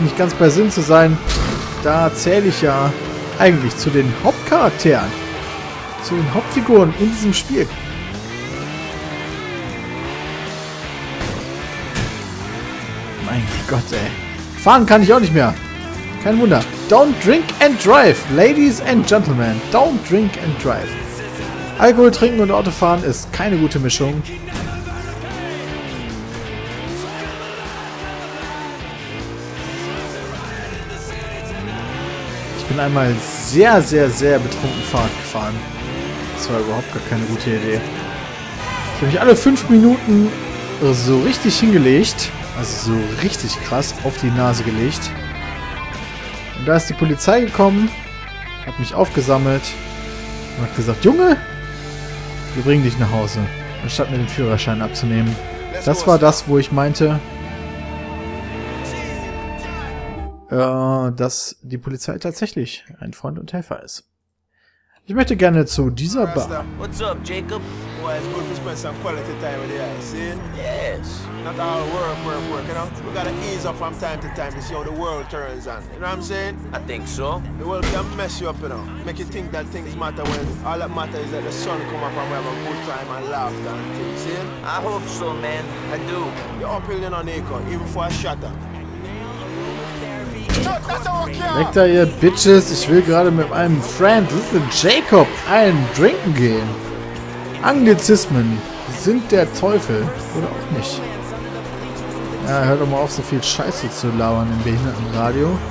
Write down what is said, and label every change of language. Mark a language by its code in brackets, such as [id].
[de] Nicht ganz bei Sinn zu sein, da zähle ich ja eigentlich zu den Hauptcharakteren, zu den Hauptfiguren in diesem Spiel. Mein Gott, ey. Fahren kann ich auch nicht mehr. Kein Wunder. [en] Don't drink and drive, ladies and gentlemen. Don't drink and drive. [de] Alkohol trinken und Autofahren ist keine gute Mischung. Ich bin einmal sehr, sehr, sehr betrunken Fahrrad gefahren. Das war überhaupt gar keine gute Idee. Ich habe mich alle 5 Minuten so richtig hingelegt. Also so richtig krass auf die Nase gelegt. Und da ist die Polizei gekommen, hat mich aufgesammelt und hat gesagt, Junge, wir bringen dich nach Hause, anstatt mir den Führerschein abzunehmen. Das war das, wo ich meinte, dass die Polizei tatsächlich ein Freund und Helfer ist. Ich möchte gerne zu dieser Bar. [en] What's up, Jacob? Boy, it's good to spend some quality time with you, see? Yes. Not all work, you know? We gotta ease up from time to time to see how the world turns on. You know what I'm saying? I think so. The world can mess you up, you know? Make you think that things matter when all that matters is that the sun come up and we have a good time and laugh and things, see? I hope so, man. I do. You're uphill on acorn, even for a shutter. [de] Weg da, ihr Bitches. Ich will gerade mit meinem Friend Little Jacob einen Drinken gehen. Anglizismen sind der Teufel. Oder auch nicht. Ja, hört doch mal auf, so viel Scheiße zu lauern im Behindertenradio.